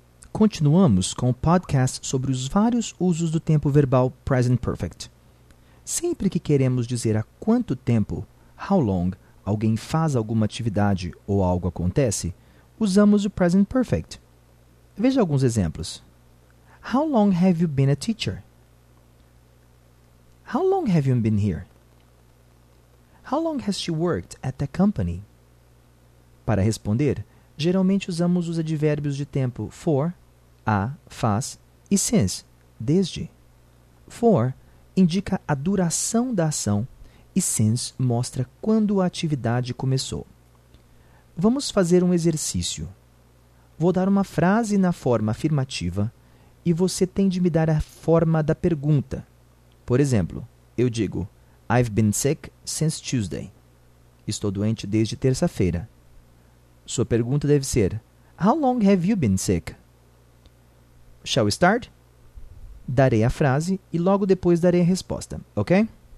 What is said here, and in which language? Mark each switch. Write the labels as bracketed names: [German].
[Portuguese] Continuamos com o podcast sobre os vários usos do tempo verbal Present Perfect. Sempre que queremos dizer há quanto tempo, [English] how long, [Portuguese] alguém faz alguma atividade ou algo acontece, usamos o Present Perfect. Veja alguns exemplos. [English] How long have you been a teacher? How long have you been here? How long has she worked at the company? [Portuguese] Para responder, geralmente usamos os advérbios de tempo for, há, faz e since, desde. For indica a duração da ação e since mostra quando a atividade começou. Vamos fazer um exercício. Vou dar uma frase na forma afirmativa e você tem de me dar a forma da pergunta. Por exemplo, eu digo, [English] I've been sick since Tuesday. [Portuguese] Estou doente desde terça-feira. Sua pergunta deve ser, [English] How long have you been sick? Shall we start? [Portuguese] Darei a frase e logo depois darei a resposta, ok?